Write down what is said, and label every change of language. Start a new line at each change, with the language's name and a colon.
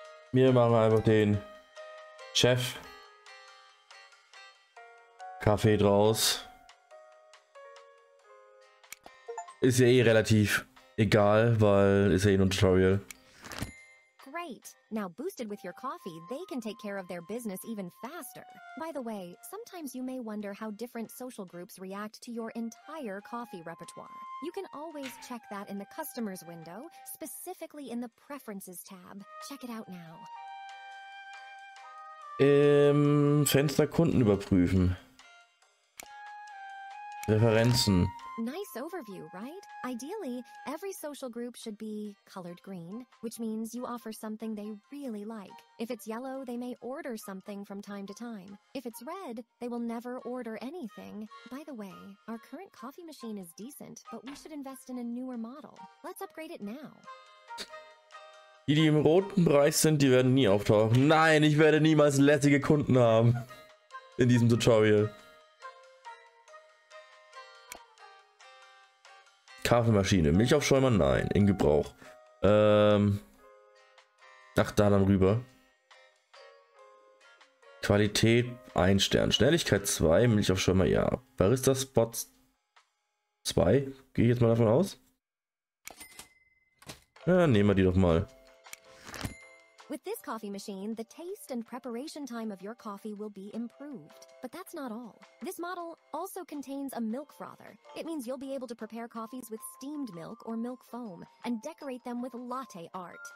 German: Wir machen einfach den Chef Kaffee draus. Ist ja eh relativ egal, weil ist ja eh nur ein Tutorial.
English: Great. Now boosted with your coffee, they can take care of their business even faster. By the way, sometimes you may wonder how different social groups react to your entire coffee repertoire. You can always check that in the customers window, specifically in the preferences tab. Check it out now.
German: Fenster Kunden überprüfen. Referenzen.
English: Nice overview, right? Ideally, every social group should be colored green, which means you offer something they really like. If it's yellow, they may order something from time to time. If it's red, they will never order anything. By the way, our current coffee machine is decent, but we should invest in a newer model. Let's upgrade it now.
German: Die im roten Bereich sind, die werden nie auftauchen. Nein, ich werde niemals lässige Kunden haben in diesem Tutorial. Kaffeemaschine, Milchaufschäumer? Nein, in Gebrauch. Ach, da dann rüber. Qualität 1 Stern. Schnelligkeit 2, Milchaufschäumer, ja. Barista Spots 2, gehe ich jetzt mal davon aus. Ja, nehmen wir die doch mal.
English: With this coffee machine, the taste and preparation time of your coffee will be improved. But that's not all. This model also contains a milk frother. It means you'll be able to prepare coffees with steamed milk or milk foam and decorate them with latte art.